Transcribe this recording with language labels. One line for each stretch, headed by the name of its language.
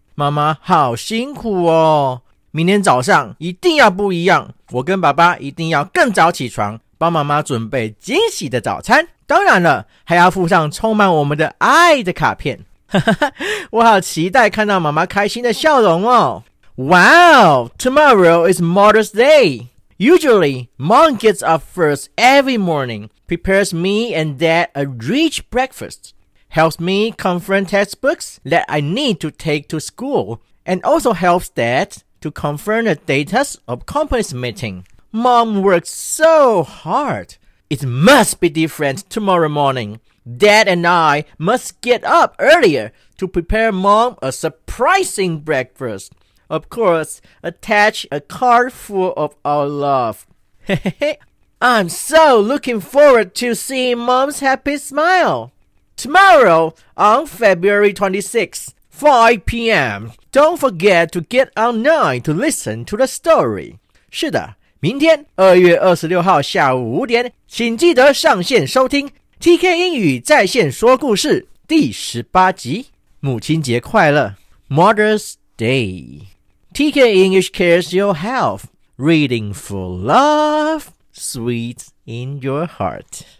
Chinese: 妈妈好辛苦哦，明天早上一定要不一样，我跟爸爸一定要更早起床，帮妈妈准备惊喜的早餐，当然了，还要附上充满我们的爱的卡片。我好期待看到妈妈开心的笑容哦。
English: Wow, tomorrow is Mother's Day. Usually, Mom gets up first every morning, prepares me and Dad a rich breakfast, helps me confront textbooks that I need to take to school, and also helps Dad to confront the data of company's meeting. Mom works so hard. It must be different tomorrow morning. Dad and I must get up earlier to prepare Mom a surprising breakfast. Of course, attach a card full of our love. I'm so looking forward to seeing Mom's happy smile. Tomorrow, on February 26th, 5 p.m., don't forget to get online to listen to the story.
Chinese: 是的，明天2月26号下午5点，请记得上线收听 TK 英语在线说故事第18集。母亲节快乐 ,Mother's Day.
English: TK English cares your health. Reading for love, sweet in your heart.